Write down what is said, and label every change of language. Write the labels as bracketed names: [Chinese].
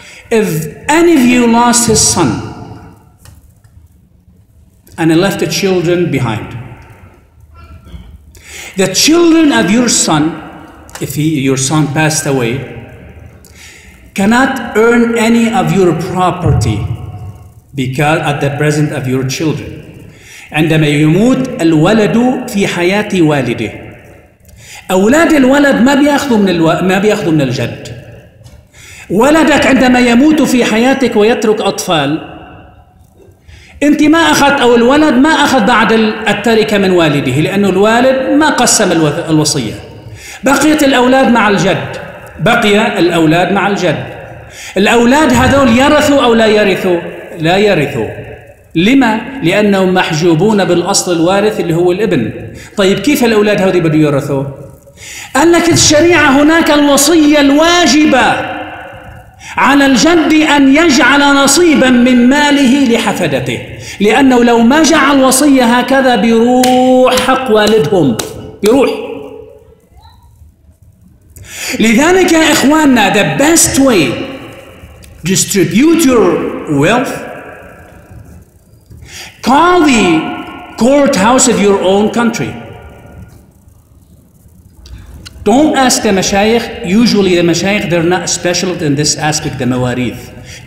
[English] If any of you lost his son and he left the children behind, the children of your son, if your son passed away, cannot earn any of your property because at the present of your children. [Arabic] عندما يموت الولد في حياة والده أولاد الولد ما بيأخذوا من الجد. ولدك عندما يموت في حياتك ويترك أطفال أنت ما أخذت أو الولد ما أخذ بعد التركة من والده لأنه الوالد ما قسم الوصية. بقيت الأولاد مع الجد. بقي الأولاد مع الجد. الأولاد هذول يرثوا أو لا يرثوا؟ لا يرثوا. لما؟ لأنهم محجوبون بالأصل الوارث اللي هو الابن. طيب كيف الأولاد هذي بدوا يرثوا؟ قال لك الشريعة هناك الوصية الواجبة على الجد أن يجعل نصيبا من ماله لحفدته، لأنه لو ما جعل وصية هكذا بيروح حق والدهم، بيروح. لذلك يا إخواننا [English] the best way to distribute your wealth, call the courthouse of your own country. Don't ask the mashayikh. Usually the mashayikh, they're not special in this aspect, the mawarith.